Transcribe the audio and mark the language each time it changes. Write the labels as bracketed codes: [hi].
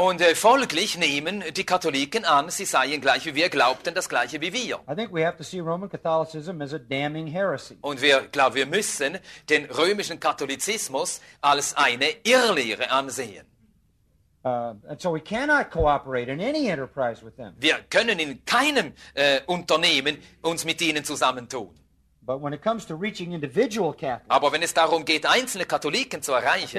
[de] Und folglich nehmen die Katholiken an, sie seien gleich wie wir, glaubten das gleiche wie wir. [en] I think we have to see Roman Catholicism as a damning heresy. [de] Und wir glauben, wir müssen den römischen Katholizismus als eine Irrlehre ansehen. [en] And so we cannot cooperate in any enterprise with them. [de] Wir können in keinem Unternehmen uns mit ihnen zusammentun. [en] But when it comes to reaching individual Catholics, [de] aber wenn es darum geht, einzelne Katholiken zu erreichen,